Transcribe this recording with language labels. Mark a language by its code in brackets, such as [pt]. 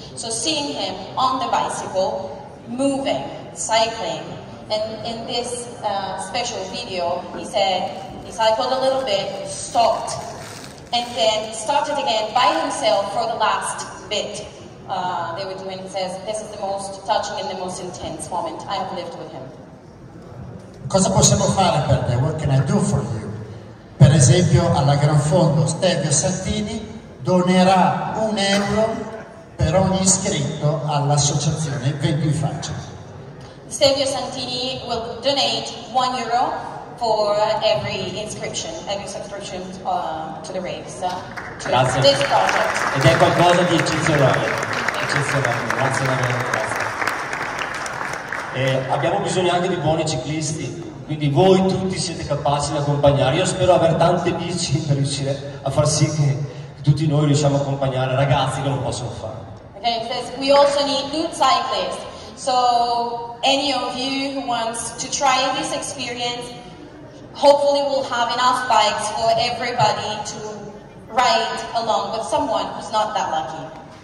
[en] So seeing him on the bicycle, moving, cycling, and in this special video, he said he cycled a little bit, stopped, and then started again by himself for the last bit they were doing. He says, this is the most touching and the most intense moment I have lived with him. [it] Cosa possiamo fare per te? [en] What can I do for you? [it] Per esempio, alla Gran Fondo, Stevio Santini donerà un euro per ogni iscritto all'associazione Vento in Faccia. [en] Stevio Santini will donate 1 euro for every subscription to the race. [it] Grazie. [en] This project. [it] Ed è qualcosa di eccezionale. Eccezionale, grazie davvero. Grazie. E abbiamo bisogno anche di buoni ciclisti. Quindi voi tutti siete capaci di accompagnare. Io spero aver tante bici per riuscire a far sì che tutti noi riusciamo a accompagnare ragazzi che non possono fare. [en] Okay, it says we also need good cyclists. So any of you who wants to try this experience, hopefully we'll have enough bikes for everybody to ride along with someone who's not that lucky.